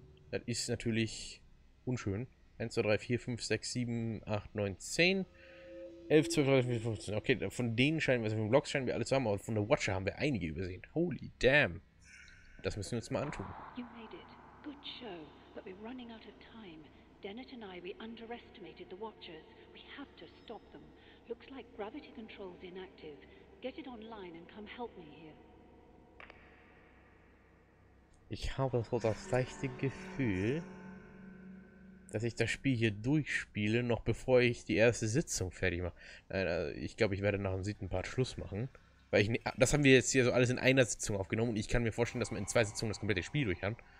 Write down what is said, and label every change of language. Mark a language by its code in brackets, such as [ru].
[de] Das ist natürlich unschön. 1, 2, 3, 4, 5, 6, 7, 8, 9, 10. 11, 12, 13, 14, 15. Okay, von denen scheinen wir, also von Blocks scheinen wir alle zu haben, aber von der Watcher haben wir einige übersehen. [en] Holy damn. [de] Das müssen wir uns mal antun. [en] You made it. Good show. But we're running out of time. Dennett and I, we underestimated the Watchers. We have to stop them. Looks like gravity control's inactive. Get it online and come help me here. [de] Ich habe so das leichte Gefühl, dass ich das Spiel hier durchspiele, noch bevor ich die erste Sitzung fertig mache. Ich glaube, ich werde nach dem 7. Part Schluss machen. Weil ich das haben wir jetzt hier so alles in einer Sitzung aufgenommen und ich kann mir vorstellen, dass wir in 2 Sitzungen das komplette Spiel durch haben.